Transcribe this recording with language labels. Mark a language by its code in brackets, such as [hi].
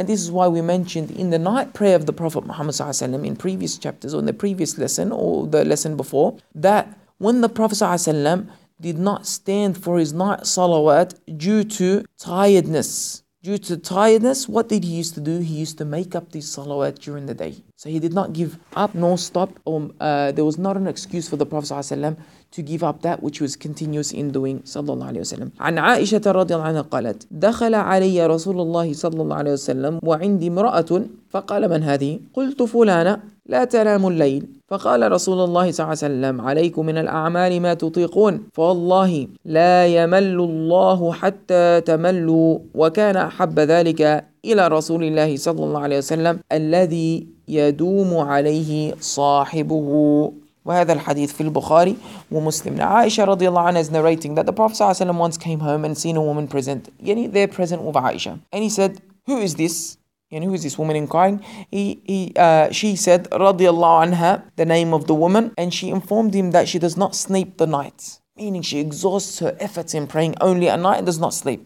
[en] And this is why we mentioned in the night prayer of the Prophet Muhammad sallallahu alayhi wa sallam in previous chapters or in the previous lesson or the lesson before, that when the Prophet sallallahu alayhi wa sallam did not stand for his night salawat due to tiredness, what did he used to do? He used to make up these salawat during the day. So he did not give up nor stop. There was not an excuse for the Prophet ﷺ to give up that which he was continuous in doing. Sallallahu alaihi wasallam. [ar] عن عائشة رضي الله عنها قالت دخل علي رسول الله صلى الله عليه وسلم وعندي امرأة فقال من هذه؟ قلت فلانة لا تنام الليل. فقال رسول الله صلى الله عليه وسلم عليكم من الأعمال ما تطيقون فوالله لا يمل الله حتى تملوا. وكان أحب ذلك إلى رسول الله صلى الله عليه وسلم الذي يدوم عليه صاحبه. وهذا الحديث في البخاري ومسلم. [en] عائشة رضي الله عنها is narrating that the Prophet صلى الله عليه وسلم once came home and seen a woman present, يعني they're present with عائشة, and he said, who is this? And who is this woman inquiring? She said, radiallahu anha, the name of the woman. And she informed him that she does not sleep the night. Meaning she exhausts her efforts in praying only at night and does not sleep.